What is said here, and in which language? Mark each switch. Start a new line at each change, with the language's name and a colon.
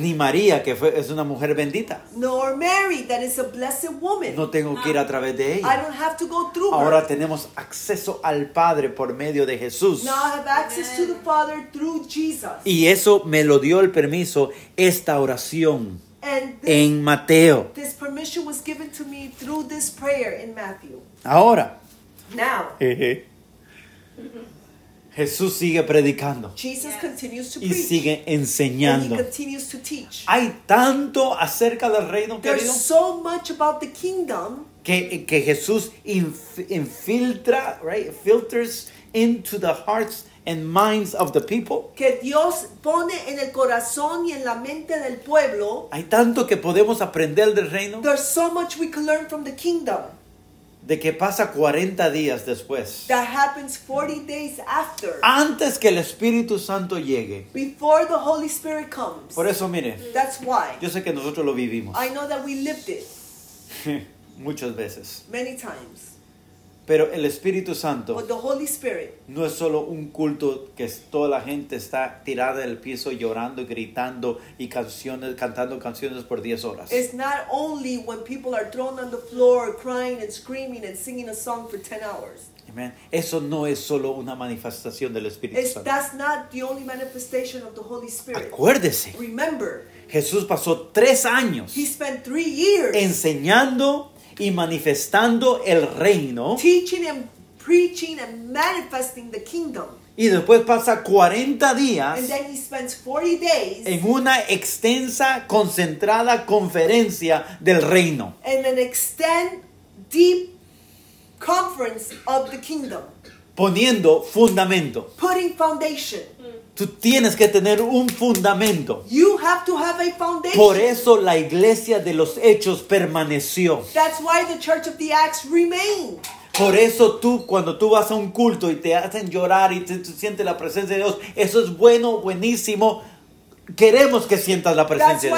Spanish: Ni María, que fue, es una mujer bendita.
English: Nor Mary, that is a blessed woman.
Spanish: No tengo que ir a través de ella.
English: I don't have to go through
Spanish: Ahora
English: her.
Spanish: Tenemos acceso al Padre por medio de Jesús.
English: Now I have access Amen. To the Father through Jesus.
Spanish: Y eso me lo dio el permiso, esta oración.
English: And this,
Spanish: en Mateo.
English: This permission was given to me through this prayer in Matthew.
Spanish: Ahora.
English: Now.
Spanish: Jesús sigue predicando.
English: Jesus continues to
Spanish: y
English: preach.
Spanish: Y sigue enseñando.
English: And he continues to teach.
Spanish: Hay tanto acerca del reino,
English: There's
Spanish: querido.
English: There's so much about the kingdom.
Spanish: Que Jesús infiltra, right?
English: Filters into the hearts and minds of the people.
Spanish: Que Dios pone en el corazón y en la mente del pueblo. Hay tanto que podemos aprender del reino.
English: There's so much we can learn from the kingdom.
Spanish: De que pasa 40 días después.
English: That happens 40 days after.
Spanish: Antes que el Espíritu Santo llegue.
English: Before the Holy Spirit comes.
Spanish: Por eso mire.
English: That's why.
Spanish: Yo sé que nosotros lo vivimos.
English: I know that we lived it.
Spanish: Muchas veces.
English: Many times.
Spanish: Pero el Espíritu Santo,
English: but the Holy Spirit,
Spanish: no es solo un culto que toda la gente está tirada del piso llorando, gritando y canciones, cantando canciones por 10 horas.
English: It's not only when people are thrown on the floor crying and screaming and singing a song for 10 hours.
Spanish: Amen. Eso no es solo una manifestación del Espíritu Santo.
English: That's not the only manifestation of the Holy Spirit.
Spanish: Acuérdese.
English: Remember.
Spanish: Jesús pasó 3 años.
English: He spent 3 years.
Spanish: Enseñando y manifestando el reino.
English: Teaching and preaching and manifesting the kingdom.
Spanish: Y después pasa 40 días.
English: And then he spends 40 days.
Spanish: En una extensa, concentrada conferencia del reino.
English: In an extended, deep conference of the kingdom.
Spanish: Poniendo fundamento.
English: Putting foundation.
Spanish: Tú tienes que tener un fundamento.
English: You have to have a foundation.
Spanish: Por eso la iglesia de los hechos permaneció.
English: That's why the church of the Acts remained.
Spanish: Por eso tú, cuando tú vas a un culto y te hacen llorar y te sientes la presencia de Dios, eso es bueno, buenísimo. Queremos que sientas la presencia de Dios.